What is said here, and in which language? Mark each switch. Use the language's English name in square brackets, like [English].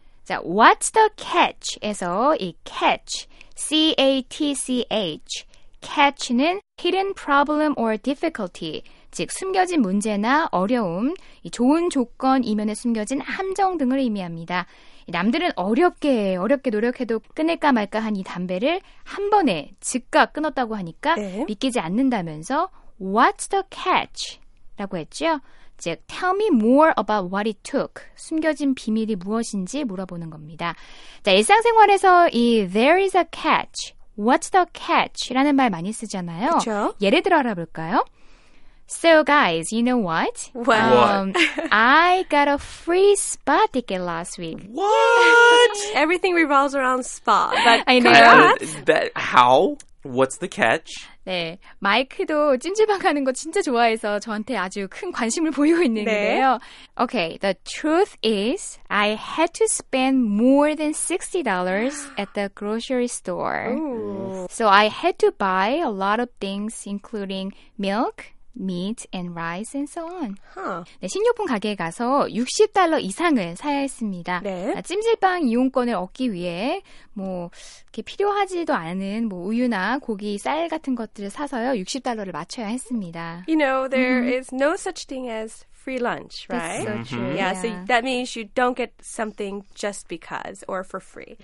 [Korean] 자, what's the catch? 에서 이 catch, C-A-T-C-H, catch는 [English] hidden problem or difficulty, [Korean] 즉 숨겨진 문제나 어려움, 이 좋은 조건 이면에 숨겨진 함정 등을 의미합니다. 남들은 어렵게 노력해도 끊을까 말까 한 이 담배를 한 번에 즉각 끊었다고 하니까 네. 믿기지 않는다면서 [English] What's the catch? [Korean] 라고 했죠. [English] 즉, tell me more about what it took. [Korean] 숨겨진 비밀이 무엇인지 물어보는 겁니다. 자, 일상생활에서 이 [English] there is a catch, what's the catch? [Korean] 라는 말 많이 쓰잖아요. 그쵸? 예를 들어 알아볼까요? [English] So guys, you know what? What? I got a free spa ticket last week. What? Everything revolves around spa. But I know. That how? What's the catch? [Korean] 네, 마이크도 찜질방 가는 거 진짜 좋아해서 저한테 아주 큰 관심을 보이고 있는데요. 네. [English] Okay, the truth is I had to spend more than $60 at the grocery store. Ooh. So I had to buy a lot of things including milk, meat and rice and so on. Huh. [Korean] 네, 식료품 가게에 가서 $60 이상을 사야 했습니다. 네. 찜질방 이용권을 얻기 위해 뭐 이렇게 필요하지도 않은 뭐 우유나 고기, 쌀 같은 것들을 사서요. $60를 맞춰야 했습니다. [English] You know, there is no such thing as free lunch, right? That's so true. Mm-hmm. Yeah, so that means you don't get something just because or for free.